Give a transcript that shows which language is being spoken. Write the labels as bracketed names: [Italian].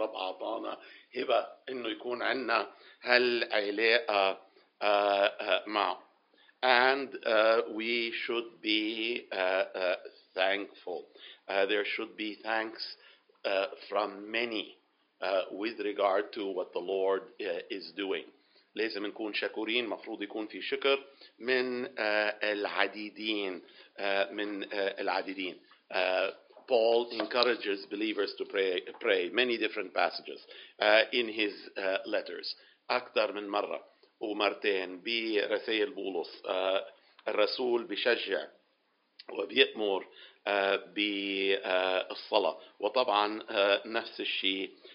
[Arabic] رب أعطانا هبة إنه يكون عنا هالعلاقة معه. [English] And we should be thankful. There should be thanks from many with regard to what the Lord is doing. [Arabic] لازم نكون شكورين مفروض يكون في شكر من العديدين من العديدين [English] Paul encourages believers to pray many different passages in his letters [Arabic] أكثر من مرة ومرتين برسائل بولس الرسول بشجع وبيأمر بالصلاة وطبعا نفس الشيء